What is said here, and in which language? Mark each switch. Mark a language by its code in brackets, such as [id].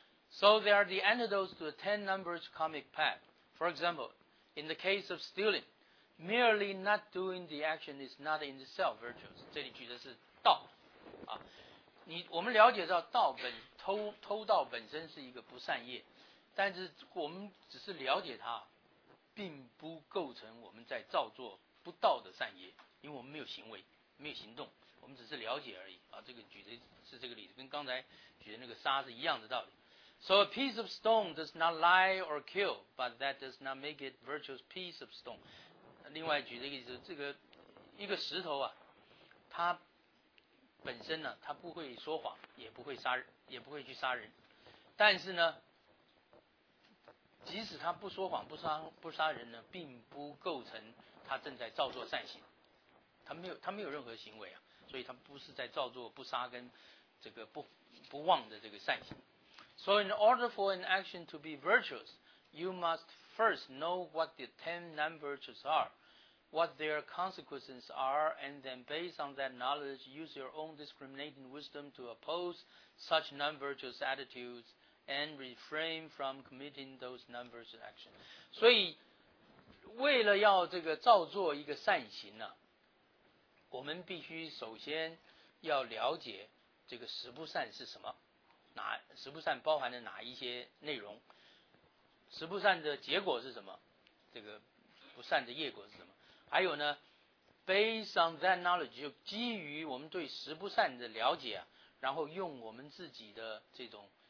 [en] So there are the antidotes to the ten numbers karmic path. For example, in the case of stealing, merely not doing the action is not in itself virtuous. [zh] 这里举的是盗，啊，我们了解到盗本偷盗本身是一个不善业，但是我们只是了解它，并不构成我们在造作不道的善业，因为我们没有行为，没有行动，我们只是了解而已。啊，这个举的是这个例子，跟刚才举的那个沙是一样的道理。 [en] So a piece of stone does not lie or kill, but that does not make it virtuous piece of stone. [zh] 另外举这个意思，这个一个石头啊，它本身呢、啊，它不会说谎，也不会杀人，也不会去杀人。但是呢，即使它不说谎、不杀人呢，并不构成它正在造作善行。它没有任何行为啊，所以它不是在造作不杀跟这个不忘的这个善行。 [en] So in order for an action to be virtuous, you must first know what the ten non-virtues are, what their consequences are, and then based on that knowledge, use your own discriminating wisdom to oppose such non-virtuous attitudes and refrain from committing those non-virtuous actions. [zh] 所以为了要这个造作一个善行呢、啊、我们必须首先要了解这个十不善是什么。十不善包含了哪一些内容，十不善的结果是什么，这个不善的业果是什么，还有呢 [en] based on that knowledge [zh] 就基于我们对十不善的了解、啊、然后用我们自己的这种